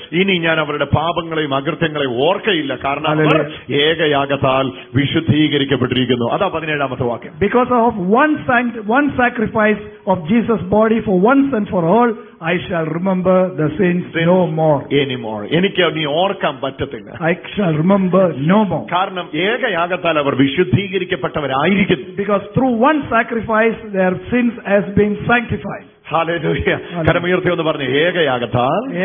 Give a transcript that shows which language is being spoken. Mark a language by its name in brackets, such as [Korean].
[Malayalam] ഇനി ഞാൻ അവരുടെ പാപങ്ങളെയും അകൃത്യങ്ങളെയും ഓർക്കയില്ല, കാരണം അവർ ഏകയാഗത്താൽ വിശുദ്ധീകരിക്കപ്പെട്ടിരിക്കുന്നു. അതാ 17-ാമത്തെ വാക്യം. [English] Because of one sacrifice of Jesus' body for once and for all, I shall remember the sins no more. Anymore. [Malayalam] എനിക്ക് നീ ഓർക്കാൻ പറ്റത്തില്ല. [English] I shall remember no more. [Malayalam] കാരണം ഏകയാഗത്താൽ അവർ വിശുദ്ധീകരിക്കപ്പെട്ടവരായിരിക്കുന്നു. [English] Because through one sacrifice, their sins has been sanctified. [Malayalam] ഹാലേലൂയ്യ. കരമുയർത്തി ഒന്ന് പറഞ്ഞു, ഏകയാഗത്താൽ